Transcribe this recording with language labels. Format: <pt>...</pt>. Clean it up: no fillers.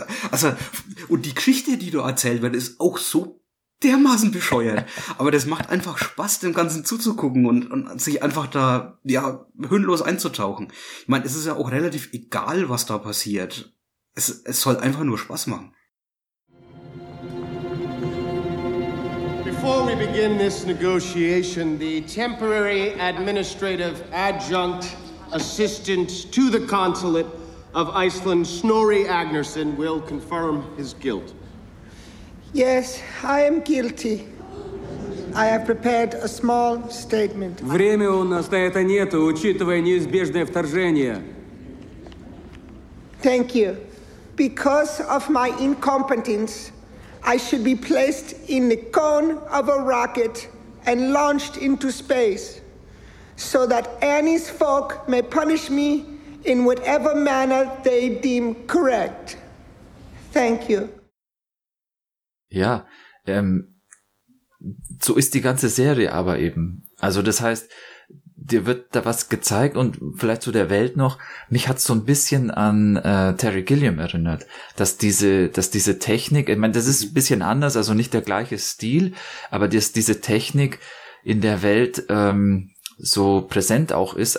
<de>Also, und die Geschichte, die da erzählt wird, ist auch so dermaßen bescheuert. Aber das macht einfach Spaß, dem Ganzen zuzugucken und sich einfach da, ja, hirnlos einzutauchen. Ich meine, es ist ja auch relativ egal, was da passiert. Es soll einfach nur Spaß machen.</de> <en>Before we begin this negotiation, the temporary administrative adjunct assistant to the consulate of Iceland, Snorri Agnarsson, will confirm his guilt. Yes, I am guilty. I have prepared a small statement.</en> <ru>Время у нас на это нету, учитывая неизбежное вторжение.</ru> <en>Thank you. Because of my incompetence, I should be placed in the cone of a rocket and launched into space so that Annie's folk may punish me in whatever manner they deem correct. Thank you.</en> <de>Ja, so ist die ganze Serie aber eben. Also das heißt, dir wird da was gezeigt und vielleicht zu der Welt noch. Mich hat's so ein bisschen an Terry Gilliam erinnert, dass diese Technik, ich meine, das ist ein bisschen anders, also nicht der gleiche Stil, aber dass diese Technik in der Welt so präsent auch ist.</de>